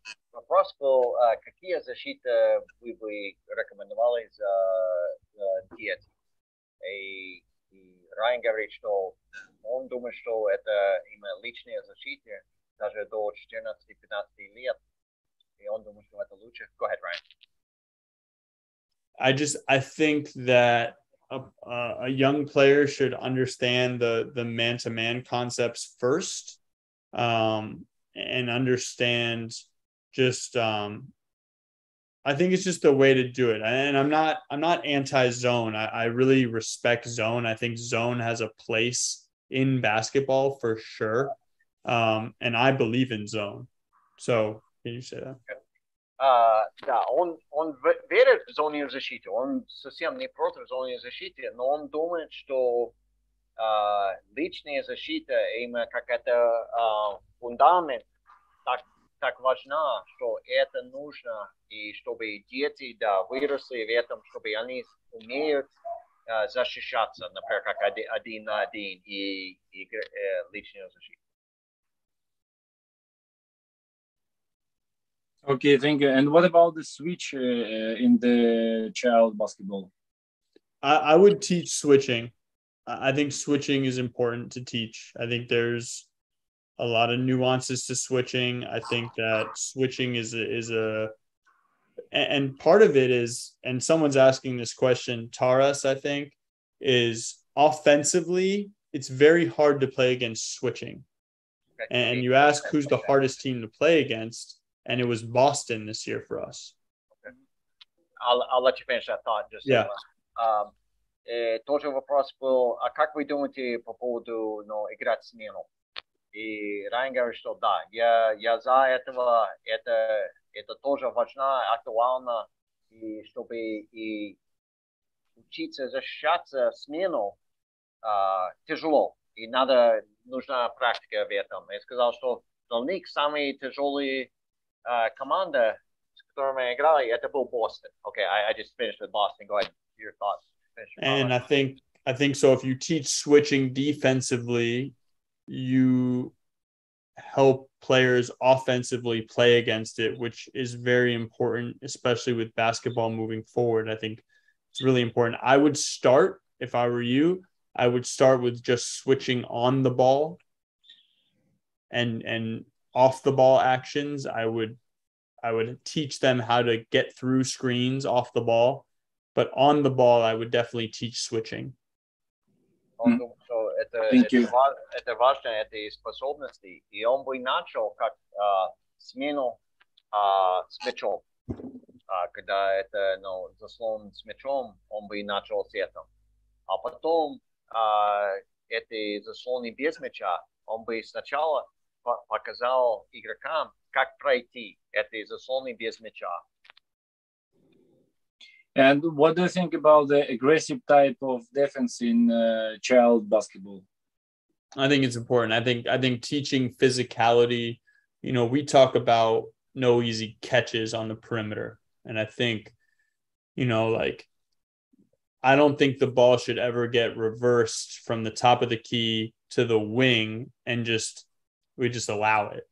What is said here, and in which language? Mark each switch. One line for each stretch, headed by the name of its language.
English: For us,
Russian: какие защиты вы рекомендовали за диет? И Райан говорит, что он думает, что это именно личная защита даже до 14-15 лет. И он думает, что это лучше.
English: Go ahead, Ryan. I think that a young player should understand the man-to-man concepts first, and understand just I think it's just the way to do it. And I'm not anti-zone. I really respect zone. I think zone has a place in basketball for sure. And I believe in zone. So can you say that?
Russian: Да, он верит в зону защиты. Он совсем не против зоны защиты, но он думает, что личная защита именно как это фундамент так важна, что это нужно, и чтобы дети, да, выросли в этом, чтобы они умеют защищаться, например, как один на один и личную защиту.
English: Okay, thank you. And what about the switch in the child basketball? I would teach switching. I think switching is important to teach. I think there's a lot of nuances to switching. I think that switching is a And part of it is, and someone's asking this question, Taras, I think, is offensively, it's very hard to play against switching. And you ask who's the hardest team to play against, and it was Boston this year for us. Okay. I'll let you finish that thought. Just yeah.
Russian: Тоже вопрос был, а как вы думаете по поводу, ну, играть смену? И Райан говорит, что да, я за этого, это тоже важно, актуально, и чтобы и учиться защищаться смену, тяжело, и надо, нужна практика в этом. Я сказал, что Долник самый тяжелый команда, с которой мы играли, это был Бостон.
English: Okay, I just finished with Boston. Go ahead, your thoughts. And I think so. If you teach switching defensively, you help players offensively play against it, which is very important, especially with basketball moving forward. I think it's really important. I would start, if I were you, I would start with just switching on the ball and off the ball actions. I would teach them how to get through screens off the ball. But on the ball, I would definitely teach switching.
Russian: So это важно, это и способности. И он бы начал как смену с мячом. Когда это, ну, заслон с мячом, он бы начал с этим. А потом эти заслоны без мяча, он бы сначала показал игрокам, как пройти эти заслоны без мяча.
English: And what do you think about the aggressive type of defense in child basketball? I think it's important. I think teaching physicality, you know, we talk about no easy catches on the perimeter. And I think, you know, like, I don't think the ball should ever get reversed from the top of the key to the wing and we just allow it.